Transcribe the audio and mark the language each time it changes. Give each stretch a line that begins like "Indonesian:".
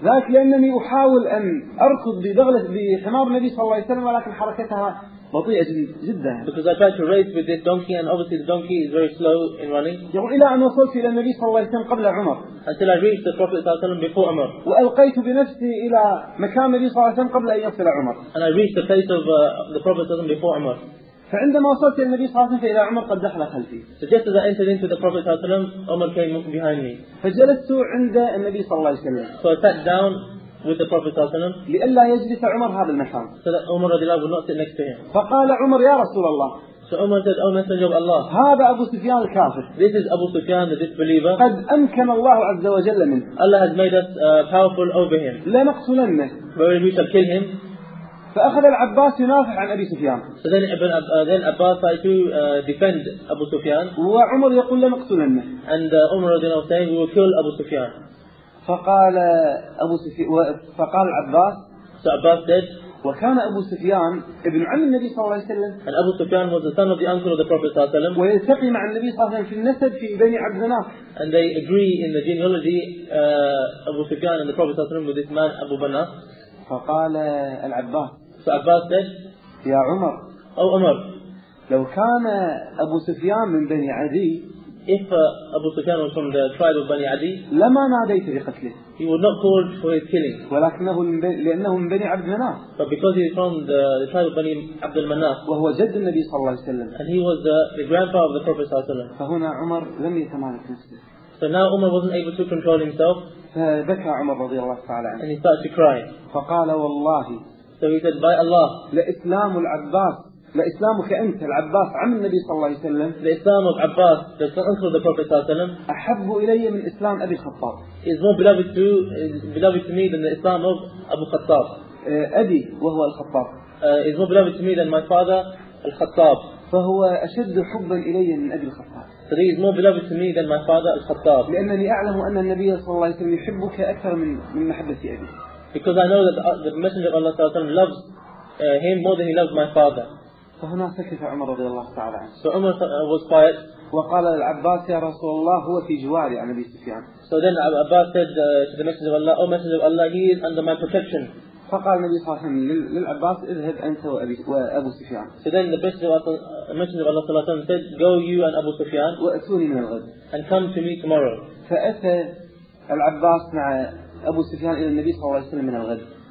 Arabic: ذاك لأنني أحاول أن أركض بدغلة بحمار النبي صلى الله عليه وسلم ولكن حركتها بطيئة جدا.
English: Because I tried to race with this donkey and obviously the donkey is very slow in running.
Arabic: يقول إلى أن وصلت إلى النبي صلى الله عليه وسلم قبل عمر.
English: Until I reached the Prophet صلى الله عليه وسلم before عمر.
Arabic: وألقيت بنفسي إلى مكان النبي صلى الله عليه وسلم قبل أن يصل عمر.
English: And I reached the place of the Prophet صلى الله عليه وسلم before عمر.
Arabic: فعندما وصلت إلى النبي صلى الله عليه وسلم فإذا عمر قد دخل خلفي.
English: So just as I entered into the Prophet صلى الله عليه وسلم, عمر came behind me.
Arabic: فجلست عند النبي صلى الله عليه وسلم.
English: So I sat down with the Prophet صلى الله عليه وسلم.
Arabic: لئلا يجلس عمر هذا المكان.
English: So that Umar رضي الله عنه not sit next to him.
Arabic: فقال عمر يا رسول الله.
English: So Umar said, oh Messenger of Allah.
Arabic: هذا أبو سفيان الكافر.
English: This is Abu Sufyan, the disbeliever.
Arabic: قد أمكن الله عز وجل منه.
English: Allah has made us powerful over him.
Arabic: لنقتلنه.
English: But we shall kill him.
Arabic: فأخذ العباس ينافع عن أبي سفيان.
English: So then Abbas tried to defend Abu Sufyan.
Arabic: وعمر يقول لنقتلنه.
English: And Umar رضي الله عنه will kill Abu Sufyan.
Arabic: فقال العباس.
English: So Abbas said.
Arabic: وكان أبو سفيان ابن عم النبي صلى الله عليه وسلم.
English: And Abu Sufyan was the son of the uncle of the Prophet صلى الله عليه وسلم.
Arabic: ويلتقي مع النبي صلى الله عليه وسلم في النسب في بني عبد مناف.
English: And they agree in the genealogy Abu Sufyan and the Prophet صلى الله عليه وسلم with this man Abu Banna.
Arabic: فقال العباس.
English: So Abbas said,
Arabic: يا عمر.
English: Oh Umar.
Arabic: لو كان أبو سفيان من بني عدي.
English: If Abu Sufyan was from the tribe of Bani Adi,
Arabic: لما ناديت بقتله.
English: He would not call for his killing.
Arabic: ولكنه لأنه من بني عبد مناف.
English: But because he is from the tribe of Bani عبد المناف.
Arabic: وهو جد النبي صلى الله عليه وسلم.
English: And he was the grandfather of the Prophet صلى الله عليه وسلم.
Arabic: فهنا عمر لم يتمالك نفسه.
English: So now Umar wasn't able to control himself.
Arabic: فبكى عمر رضي الله تعالى عنه.
English: And he started to cry.
Arabic: فقال والله.
English: So he said, by Allah.
Arabic: لإسلام العباس. لإسلامك أنت العباس عم النبي صلى الله عليه وسلم. لإسلام العباس
English: the son of the Prophet
Arabic: صلى الله عليه وسلم. أحب إلي من إسلام أبي الخطاب.
English: Is more beloved to me than the Islam of Abu Khattab.
Arabic: أبي وهو الخطاب.
English: Is more beloved to me than my father, الخطاب.
Arabic: فهو أشد حبا إلي من أبي الخطاب.
English: So he is more beloved to me than my father, الخطاب.
Arabic: لأنني أعلم أن النبي صلى الله عليه وسلم يحبك أكثر من محبة أبي.
English: Because I know that the Messenger of Allah صلى الله عليه وسلم loves him more than he loves my father.
Arabic: فهنا سكت عمر رضي الله تعالى عنه.
English: So Umar was quiet.
Arabic: وقال العباس يا رسول الله هو في جواري عن أبي سفيان.
English: So then Abbas said to the Messenger of Allah, oh Messenger of Allah, he is under my protection.
Arabic: فقال النبي صلى الله عليه وسلم للعباس اذهب أنت وأبو سفيان.
English: So then the Messenger of Allah صلى الله عليه وسلم said, go you and Abu Sufyan.
Arabic: وأتوني من الغد.
English: And come to me tomorrow.
Arabic: فأتى العباس مع أبو سفيان إلى النبي صلى الله عليه وسلم من الغد.